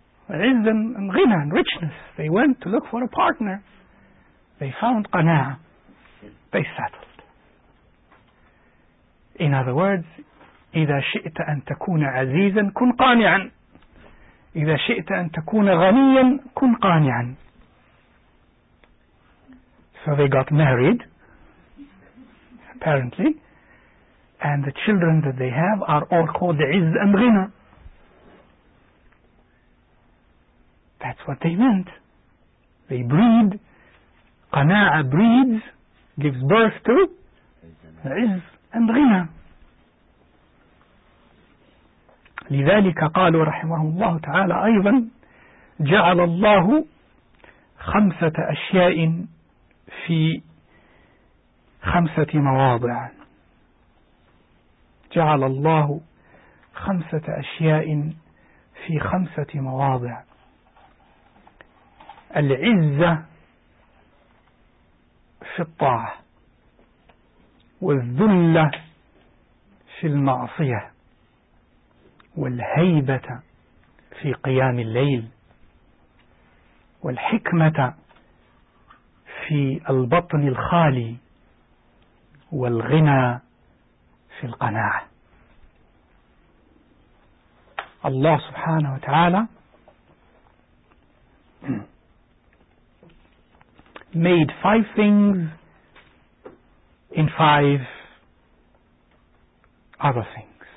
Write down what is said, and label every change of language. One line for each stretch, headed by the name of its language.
English: العز and غنى and richness. They went to look for a partner. They found قناعة. They settled. In other words,
Arabic: إذا شئت أن تكون عزيزا كن قانعا. إذا شئت أن تكون غنيا كن قانعا.
English: So they got married, apparently, and the children that they have are all called عز and غنى. That's what they meant. They breed. Qana'a breeds, gives birth to عز and غنى.
Arabic: لذلك قالوا رحمه الله تعالى أيضا جعل الله خمسة أشياء في خمسة مواضع. جعل الله خمسة أشياء في خمسة مواضع. العزة في الطاعة، والذلة في المعصية، والهيبة في قيام الليل، والحكمة في البطن الخالي، والغنى في القناعة.
English: الله سبحانه وتعالى made five things in five other things.